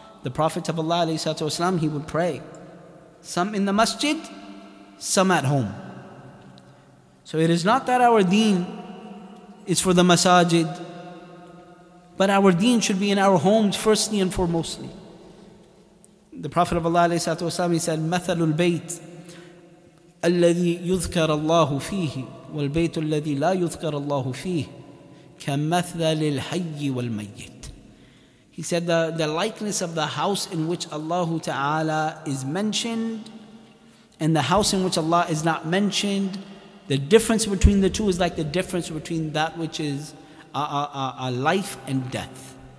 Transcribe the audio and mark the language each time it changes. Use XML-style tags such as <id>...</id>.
<en>The Prophet of Allah alayhi salatu wasalam, he would pray. Some in the masjid, some at home. So it is not that our deen is for the masajid, but our deen should be in our homes firstly and foremostly. The Prophet of Allah alayhi salatu wasalam, he said,</en> <ar>مَثَلُ الْبَيْتِ أَلَّذِي يُذْكَرَ اللَّهُ فِيهِ وَالْبَيْتُ الَّذِي لَا يُذْكَرَ اللَّهُ فِيهِ كَمَثَلِ الْحَيِّ وَالْمَيِّتِ.</ar> <en>He said the likeness of the house in which Allah Ta'ala is mentioned and the house in which Allah is not mentioned, the difference between the two is like the difference between that which is a life and death.</en>